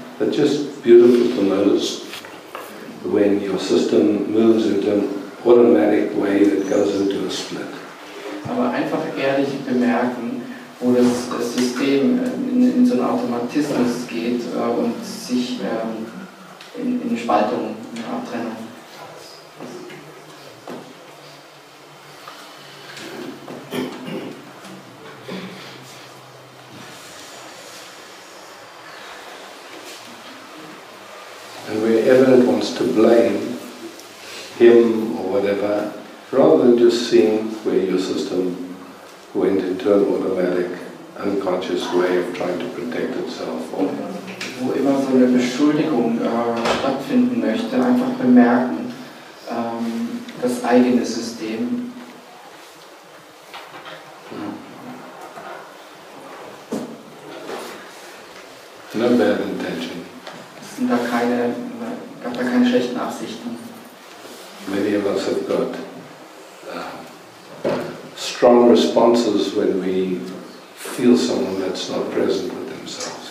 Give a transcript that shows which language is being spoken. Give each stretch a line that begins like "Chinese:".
English: But just beautiful to notice when your system moves into an automatic way that goes into a split.
German: Aber einfach ehrlich bemerken, wo das System in so einen Automatismus geht und sich in Spaltung, in Abtrennung.
English: And wherever it wants to blame him or whatever, rather than just seeing where your system went into an automatic, unconscious way of trying to protect itself.
German: Wo immer so eine Beschuldigung stattfinden möchte, einfach bemerken, das eigene System.
English: No bad intention.
German: Sind da keine, gab da keine schlechten Absichten.
English: Many of us have got strong responses when we feel someone that's not present with themselves.